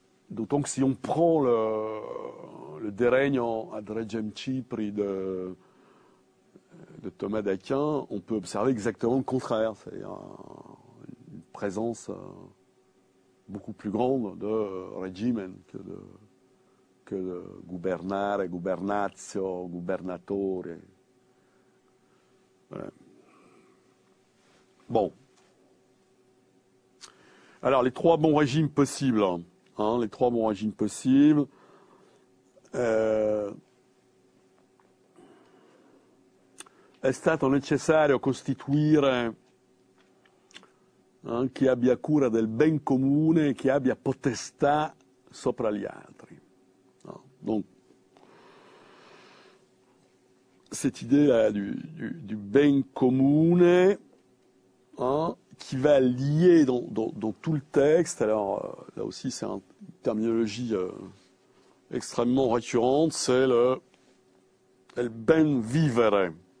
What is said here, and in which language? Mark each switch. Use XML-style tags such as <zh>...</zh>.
<fr>D'autant que si on prend le De regno ad regem Cipri de Thomas d'Aquin, on peut observer exactement le contraire, c'est-à-dire une présence beaucoup plus grande de regimen que de gubernare, gubernatio, gubernatore. Voilà. Bon. Alors, les trois bons régimes possibles. Hein, les trois bons régimes possibles.</fr> <it>È stato necessario costituire chi abbia cura del ben comune, chi abbia potestà sopra gli altri. No.</it> <fr>Donc, cette idée-là du ben comune qui va lier dans tout le texte, alors là aussi c'est une terminologie extrêmement récurrente, c'est le ben vivere.</fr>